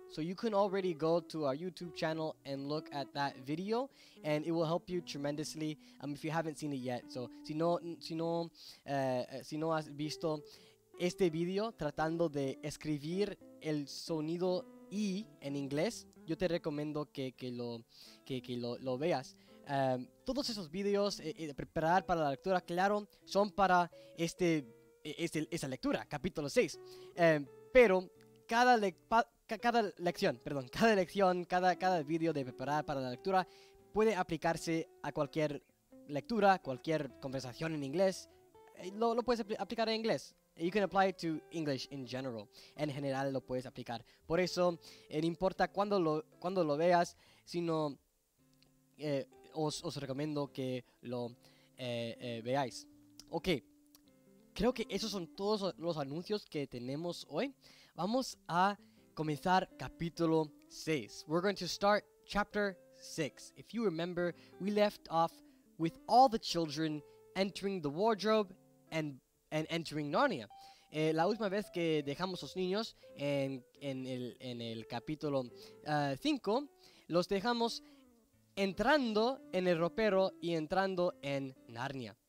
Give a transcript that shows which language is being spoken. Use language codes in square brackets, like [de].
[en] So you can already go to our YouTube channel and look at that video, and it will help you tremendously if you haven't seen it yet. [es] So si no has visto este video tratando de escribir el sonido E en inglés, yo te recomiendo que lo veas. Todos esos videos de preparar para la lectura, claro, son para esa lectura, capítulo 6. Pero cada video de preparar para la lectura puede aplicarse a cualquier lectura, cualquier conversación en inglés. Lo puedes aplicar en inglés. [en] You can apply it to English in general. [es] En general lo puedes aplicar. Por eso, no importa cuando lo veas, sino... Os recomiendo que lo veáis. Ok, creo que esos son todos los anuncios que tenemos hoy. Vamos a comenzar capítulo 6. [en] We're going to start chapter 6. If you remember, we left off with all the children entering the wardrobe and entering Narnia. [es] La última vez que dejamos a los niños en el capítulo 5, los dejamos entrando en el ropero y entrando en Narnia.